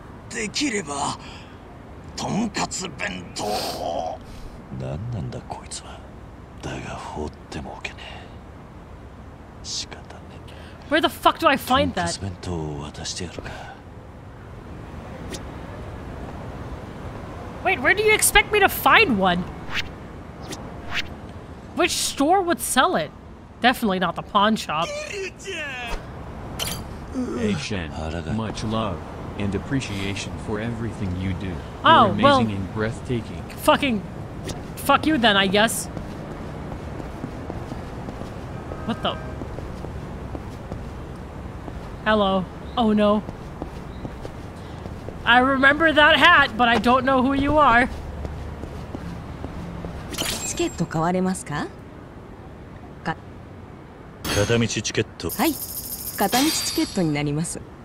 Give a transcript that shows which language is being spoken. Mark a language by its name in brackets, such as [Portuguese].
[Japanese] できればとんかつ弁当を。何なんだこいつは。だが放ってもおけねえ。仕方ねえ。 [English] Where the fuck do I find that? [Japanese] とんかつ弁当を渡してやるか。 [English] Wait, where do you expect me to find one? Which store would sell it? Definitely not the pawn shop. Hey Shen, much love and appreciation for everything you do. You're amazing well, and breathtaking. Fucking fuck you then, I guess. What the? Hello. Oh no. I remember that hat, but I don't know who you are. [Japanese] チケット買われますか？片道チケット。はい。片道チケットになります。